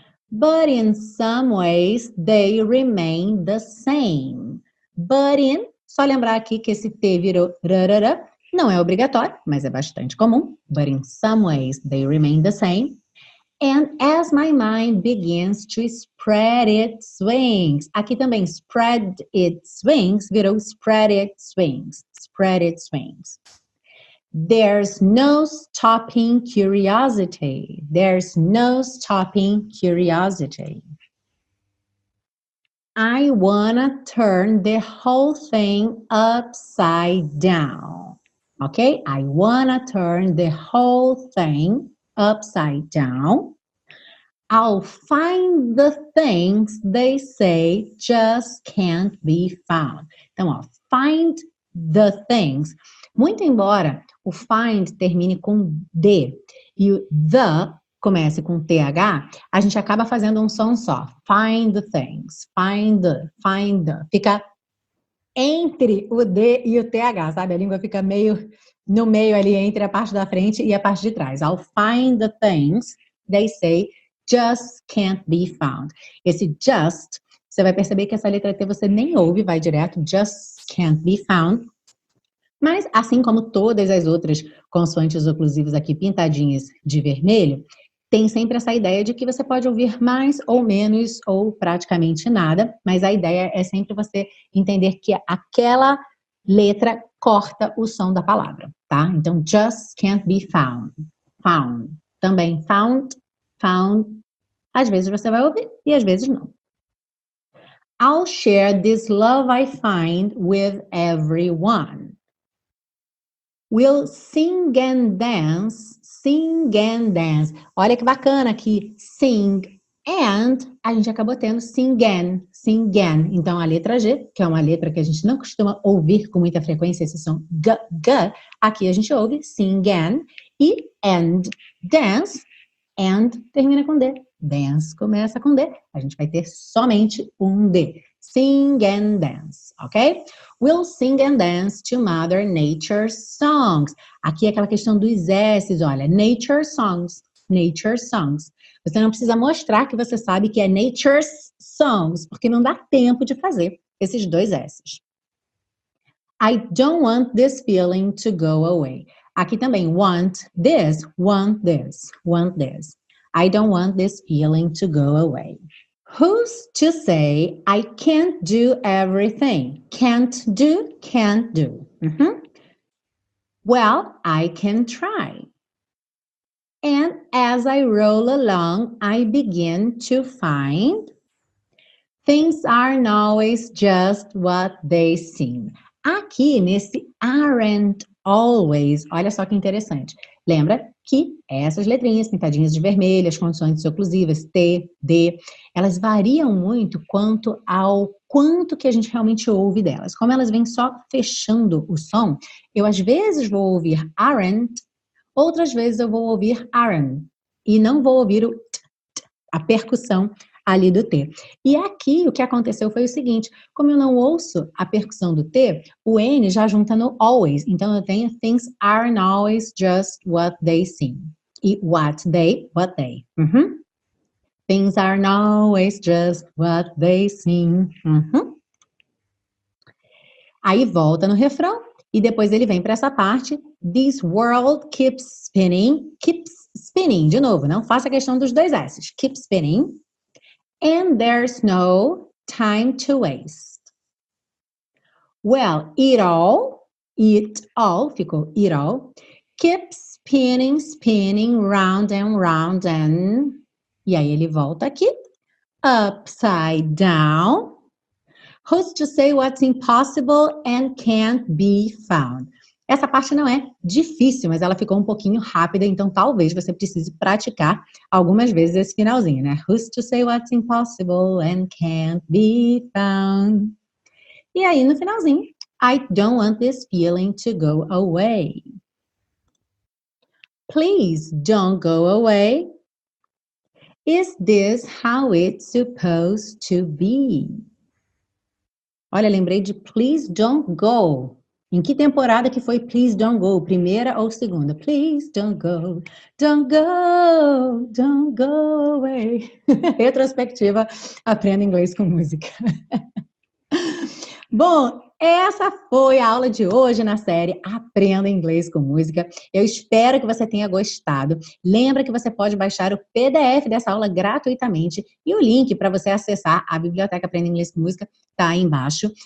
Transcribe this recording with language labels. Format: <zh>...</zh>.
<en>But in some ways, they remain the same. But in,</en> <pt>só lembrar aqui que esse T virou rarara, não é obrigatório, mas é bastante comum.</pt> <en>But in some ways, they remain the same. And as my mind begins to spread its wings.</en> <pt>Aqui também,</pt> <en>spread its wings,</en> <pt>virou</pt> <en>spread its wings. Spread its wings. There's no stopping curiosity. There's no stopping curiosity. I wanna turn the whole thing upside down. Okay? I wanna turn the whole thing upside down. I'll find the things they say just can't be found.</en> <pt>Então, ó,</pt> <en>find the things.</en> <pt>Muito embora o find termine com D e o the comece com TH, a gente acaba fazendo um som só.</pt> <en>Find the things. Find the. Find the.</en> <pt>Fica entre o D e o TH, sabe? A língua fica meio no meio ali, entre a parte da frente e a parte de trás.</pt> <en>I'll find the things they say just can't be found.</en> <pt>Esse</pt> <en>just,</en> <pt>Você vai perceber que essa letra T você nem ouve, vai direto,</pt> <en>just can't be found.</en> <pt>Mas, assim como todas as outras consoantes oclusivas aqui pintadinhas de vermelho, tem sempre essa ideia de que você pode ouvir mais ou menos ou praticamente nada, mas a ideia é sempre você entender que aquela letra corta o som da palavra, tá? Então,</pt> <en>just can't be found. Found.</en> <pt>Também</pt> <en>found, found.</en> <pt>Às vezes você vai ouvir e às vezes não.</pt> <en>I'll share this love I find with everyone. We'll sing and dance, sing and dance.</en> <pt>Olha que bacana aqui,</pt> <en>sing and,</en> <pt>a gente acabou tendo sing and, sing and. Então a letra G, que é uma letra que a gente não costuma ouvir com muita frequência, esse som g, g, aqui a gente ouve</pt> <en>sing and dance,</en> <pt>and termina com D. Dance começa com D, a gente vai ter somente um D.</pt> <en>Sing and dance, ok? We'll sing and dance to Mother Nature's songs.</en> <pt>Aqui é aquela questão dos S's, olha.</pt> <en>Nature's songs, nature's songs.</en> <pt>Você não precisa mostrar que você sabe que é</pt> <en>nature's songs,</en> <pt>porque não dá tempo de fazer esses dois S's.</pt> <en>I don't want this feeling to go away.</en> <pt>Aqui também,</pt> <en>want this, want this, want this. I don't want this feeling to go away. Who's to say I can't do everything? Can't do, can't do. Mm-hmm. Well, I can try. And as I roll along, I begin to find things aren't always just what they seem.</en> <pt>Aqui, nesse</pt> <en>aren't always,</en> <pt>olha só que interessante. Lembra que essas letrinhas pintadinhas de vermelho, as consoantes oclusivas, T, D, elas variam muito quanto ao quanto que a gente realmente ouve delas. Como elas vêm só fechando o som, eu às vezes vou ouvir aren't, outras vezes eu vou ouvir aren't e não vou ouvir o t, t, a percussão ali do T. E aqui o que aconteceu foi o seguinte, como eu não ouço a percussão do T, o N já junta no always. Então eu tenho</pt> <en>things aren't always just what they seem. E what they. Uhum. Things aren't always just what they seem. Uhum.</en> <pt>Aí volta no refrão e depois ele vem para essa parte.</pt> <en>This world keeps spinning, keeps spinning.</en> <pt>De novo, não faça a questão dos dois S's.</pt> <en>Keep spinning. And there's no time to waste. Well, it all,</en> <pt>ficou</pt> <en>it all, keeps spinning, spinning, round and round and...</en> <pt>E aí ele volta aqui.</pt> <en>Upside down. Who's to say what's impossible and can't be found?</en> <pt>Essa parte não é difícil, mas ela ficou um pouquinho rápida, então talvez você precise praticar algumas vezes esse finalzinho, né?</pt> <en>Who's to say what's impossible and can't be found?</en> <pt>E aí, no finalzinho,</pt> <en>I don't want this feeling to go away. Please don't go away. Is this how it's supposed to be?</en> <pt>Olha, lembrei de</pt> <en>please don't go.</en> <pt>Em que temporada que foi Please Don't Go? Primeira ou segunda?</pt> <en>Please don't go, don't go, don't go away.</en> <pt>Retrospectiva, aprenda inglês com música. Bom, essa foi a aula de hoje na série Aprenda Inglês com Música. Eu espero que você tenha gostado. Lembra que você pode baixar o PDF dessa aula gratuitamente e o link para você acessar a Biblioteca Aprenda Inglês com Música está aí embaixo.</pt>